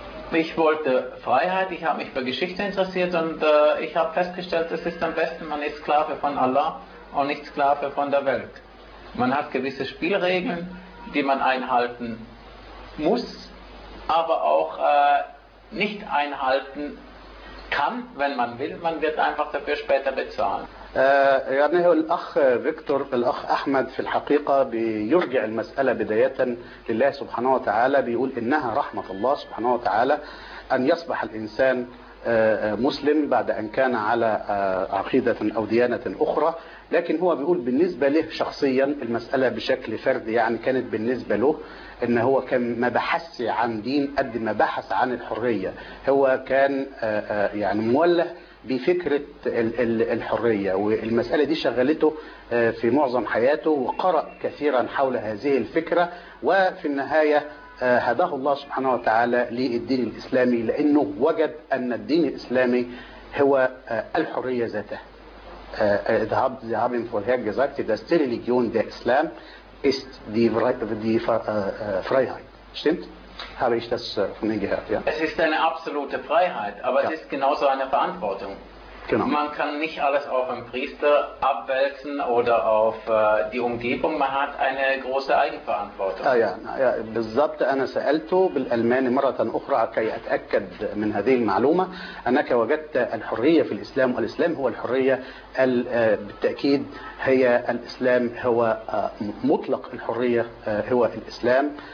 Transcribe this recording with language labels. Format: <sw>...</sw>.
<de>Ich wollte Freiheit, ich habe mich für Geschichte interessiert und ich habe festgestellt, es ist am besten, man ist Sklave von Allah und nicht Sklave von der Welt. Man hat gewisse Spielregeln, die man einhalten muss, aber auch nicht einhalten kann, wenn man will, man wird einfach dafür später bezahlen.</de> <ar>يعني الأخ فيكتور الأخ أحمد في الحقيقة بيرجع المسألة بداية لله سبحانه وتعالى بيقول إنها رحمة الله سبحانه وتعالى أن يصبح الإنسان مسلم بعد أن كان على عقيدة أو ديانة أخرى، لكن هو بيقول بالنسبة له شخصيا المسألة بشكل فردي يعني كانت بالنسبة له إن هو كان ما بحث عن دين قد ما بحث عن الحرية، هو كان يعني موله بفكرة الحرية والمسألة دي شغلته في معظم حياته وقرأ كثيرا حول هذه الفكرة، وفي النهاية هداه الله سبحانه وتعالى للدين الإسلامي لأنه وجد أن الدين الإسلامي هو الحرية ذاتها. ذهب ذهب من فوق هيك جزاك تدست ريليجيون ده إسلام است دي دي فريهايت stimmt.</ar> <de>Habe ich das von Ihnen gehört? Ja. Es ist eine absolute Freiheit, aber ja. Es ist genauso eine Verantwortung. Genau. Man kann nicht alles auf einen Priester abwälzen oder auf die Umgebung. Man hat eine große Eigenverantwortung. Ja, ja, ja.</de> <ar>بالضبط أنا سألته بالألماني مرة أخرى كي أتأكد من هذه المعلومة أنك وجدت الحرية في الإسلام والإسلام هو الحرية بالتأكيد هي الإسلام هو مطلق الحرية هو الإسلام.</ar>